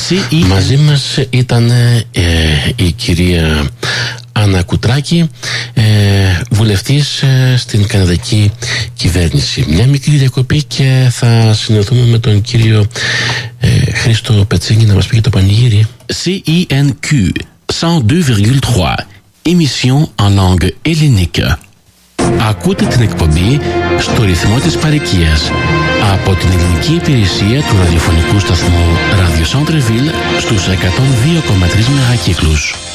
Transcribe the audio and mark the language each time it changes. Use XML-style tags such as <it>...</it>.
<el>Μαζί μας ήταν η κυρία Άννα Κουτράκη, βουλευτής στην καναδική κυβέρνηση. Μια μικρή διακοπή και θα συνδεθούμε με τον κύριο Χρήστο Πετσίνη να μας πει για το πανηγύρι.</el> <fr>CINQ 102,3 Emission en langue hellénique.</fr> <el>Ακούτε την εκπομπή στο ρυθμό της παροικίας από την ελληνική υπηρεσία του ραδιοφωνικού σταθμού Radio Centreville στους 102,3 μεγακύκλους.</el>